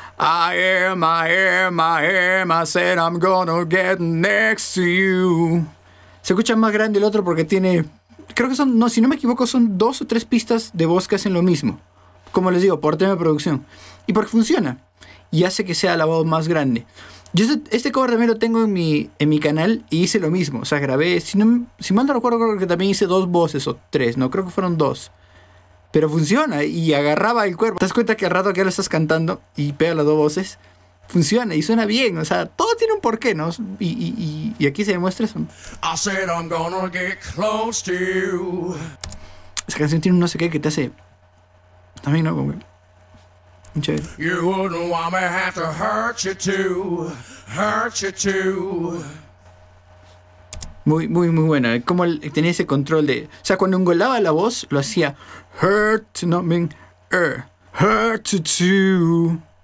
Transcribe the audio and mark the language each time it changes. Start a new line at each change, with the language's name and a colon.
English: I am, I said I'm gonna get next to you.
Spanish: Se escucha más grande el otro porque tiene... Creo que son, no, si no me equivoco, son dos o tres pistas de voz que hacen lo mismo. Como les digo, por tema de producción. Y porque funciona. Y hace que sea la voz más grande. Yo este cover también lo tengo en mi canal y hice lo mismo. O sea, grabé, si mal no recuerdo, creo que también hice dos voces o tres. No, creo que fueron dos. Pero funciona y agarraba el cuerpo. Te das cuenta que al rato que ahora estás cantando y pega las dos voces, funciona y suena bien. O sea, todo tiene un porqué, ¿no? Y aquí se demuestra eso.
English: I said I'm gonna get close to you.
Spanish: Esa canción tiene un no sé qué que te hace... También, ¿no? Como que...
English: You wouldn't want me to have to hurt you too, hurt you too.
Spanish: Muy, muy, muy buena. Como tenía ese control de... O sea, cuando engolaba la voz, lo hacía...
English: Hurt, no, mean, hurt you too.